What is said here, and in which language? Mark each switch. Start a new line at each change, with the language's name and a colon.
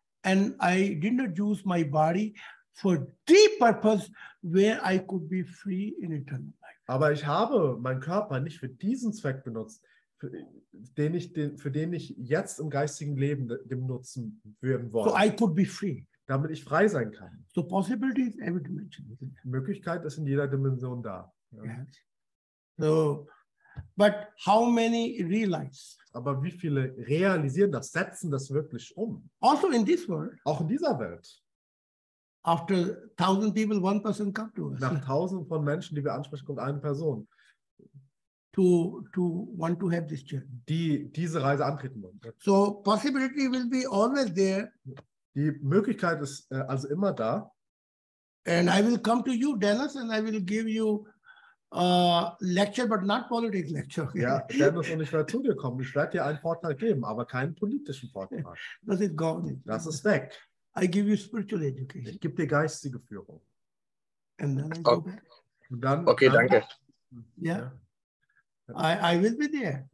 English: And I did not use my body for the purpose where I could be free in eternity.
German: Aber ich habe meinen Körper nicht für diesen Zweck benutzt, für den ich jetzt im geistigen Leben benutzen werden wollte.
English: So I could be free.
German: Damit ich frei sein kann.
English: So possibility is every dimension.
German: Die Möglichkeit ist in jeder Dimension da.
English: Ja. Yes. So, but how many realize?
German: Aber wie viele realisieren das, setzen das wirklich um?
English: Also in this world.
German: Auch in dieser Welt.
English: After 1,000 people, one person comes to us.
German: Nach tausend von Menschen, die wir ansprechen, kommt eine Person.
English: To want to have this journey.
German: Die diese Reise antreten wollen.
English: So possibility will be always there.
German: Die Möglichkeit ist also immer da.
English: And I will come to you, Dennis, and I will give you a lecture, but not politics lecture.
German: Ja, Dennis, und ich werde zu dir kommen. Ich werde dir einen Vortrag geben, aber keinen politischen Vortrag. Das ist gone. Das ist weg.
English: I give you spiritual education.
German: Ich gebe dir geistige Führung.
English: And then I go back.
German: Und dann, okay, dann, danke.
English: Yeah. I will be there.